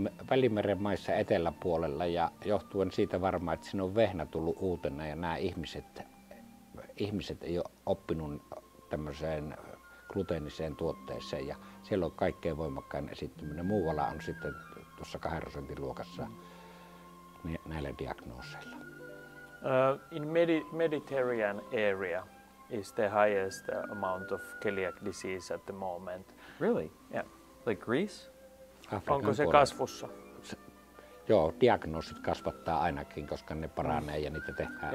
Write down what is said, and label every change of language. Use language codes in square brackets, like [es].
[fi] Välimeren maissa eteläpuolella, ja johtuen siitä varmaan, että siinä on vehnä tullut uutena ja nämä ihmiset ei ole oppinut tämmöiseen gluteeniseen tuotteeseen, ja siellä on kaikkein voimakkain esittyminen. Muualla on sitten tuossa 2% luokassa näillä diagnooseilla. [en] In Mediterranean area is the highest amount of celiac disease at the moment. Really? Yeah. Like Greece? [fi] Afrikan onko se puolella kasvussa? Joo, diagnoosit kasvattaa ainakin, koska ne paranee ja niitä tehdään.